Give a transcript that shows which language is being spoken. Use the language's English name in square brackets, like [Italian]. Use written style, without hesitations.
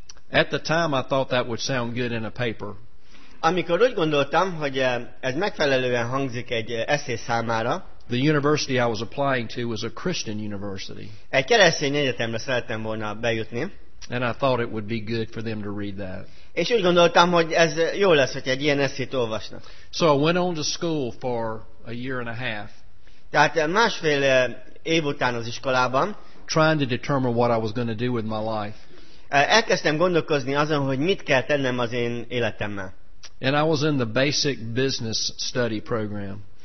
[English] At the time I thought that would sound good in a paper. [Hungarian] Amikor úgy gondoltam, hogy ez megfelelően hangzik egy eszé számára. [English] The university I was applying to was a Christian university. [Hungarian] Egy keresztény egyetemre szerettem volna bejutni. [English] And I thought it would be good for them to read that. [Hungarian] És úgy gondoltam, hogy ez jó lesz, hogy egy ilyen eszét olvasnak. [English] So I went on to school for a year and a half. [Hungarian] Tehát másfél év után az iskolában. [English] Trying to determine what I was going to do with my life. [Hungarian] Elkezdtem gondolkozni azon, hogy mit kell tennem az én életemmel. [English] And I was in the basic business study program.